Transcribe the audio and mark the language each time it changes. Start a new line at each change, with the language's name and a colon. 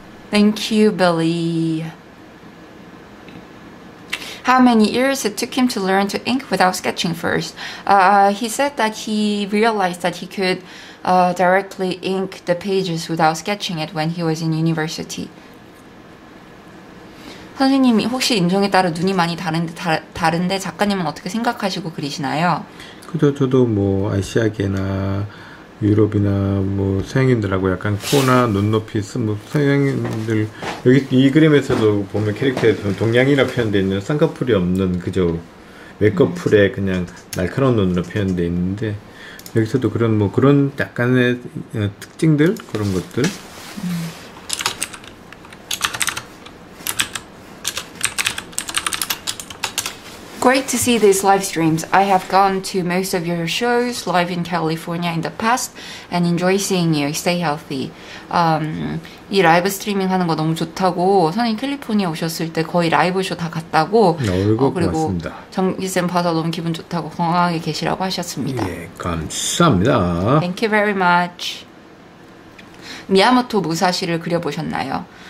English: Thank you, Billy. How many years it took him to learn to ink without sketching first? He said that he realized that he could directly ink the pages without sketching it when he was in university.
Korean: 선생님이 혹시 인종에 따라 눈이 많이 다른데 작가님은 어떻게 생각하시고 그리시나요? 그죠. 저도 뭐 아시아계나 유럽이나 뭐 서양인들하고 약간 코나 눈높이 뭐 서양인들 여기 이 그림에서도 보면 캐릭터에서 동양이라 표현되어 있는 쌍꺼풀이 없는 그저 외꺼풀에 그냥 날카로운 눈으로 표현되어 있는데 여기서도 그런 뭐 그런 약간의 특징들 그런 것들
English: Great to see these live streams. I have gone to most of your shows live in California in the past and enjoy seeing you. Stay healthy.
Korean: 이 라이브 스트리밍 하는 거 너무 좋다고 선생님 캘리포니아 오셨을 때 거의 라이브 쇼 다 갔다고 그리고 정기쌤 봐서 너무 기분 좋다고 건강하게 계시라고 하셨습니다. 예, 감사합니다.
English: Thank you very much.
Korean: 미야모토 무사시를 그려보셨나요?